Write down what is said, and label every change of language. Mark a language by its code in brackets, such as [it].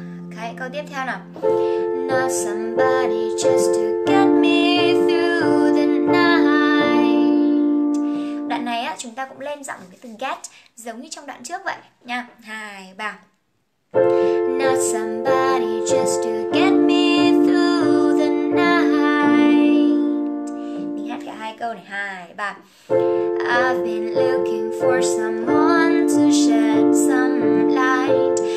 [en] Okay, [vi] câu tiếp theo nào. [en] Not somebody just to get me through the night. [vi] Đoạn này á, chúng ta cũng lên giọng cái từ get giống như trong đoạn trước vậy nha. 2, 3. [en] Not somebody just to get me through the night. [vi] Mình hát cả hai câu này, [en] 2, 3. I've been looking for someone to shed some light.